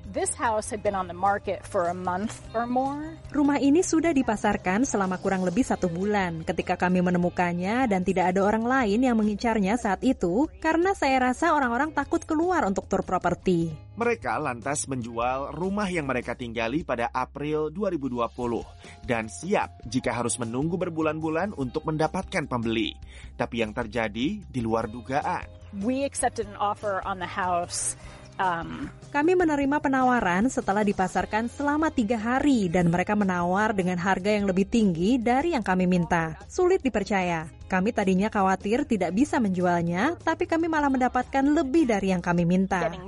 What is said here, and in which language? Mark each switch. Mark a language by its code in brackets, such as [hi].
[en] This house had been on the market for a month or more. [id] Rumah ini sudah dipasarkan selama kurang lebih 1 bulan ketika kami menemukannya dan tidak ada orang lain yang mengincarnya saat itu karena saya rasa orang-orang takut keluar untuk tur properti. Mereka lantas menjual rumah yang mereka tinggali pada April 2020 dan siap jika harus menunggu berbulan-bulan untuk mendapatkan pembeli. Tapi yang terjadi di luar dugaan. [en] We accepted an offer on the house. [id] Kami menerima penawaran setelah dipasarkan selama 3 hari dan mereka menawar dengan harga yang lebih tinggi dari yang kami minta. Sulit dipercaya. Kami tadinya khawatir tidak bisa menjualnya, tapi kami malah mendapatkan lebih dari yang kami minta.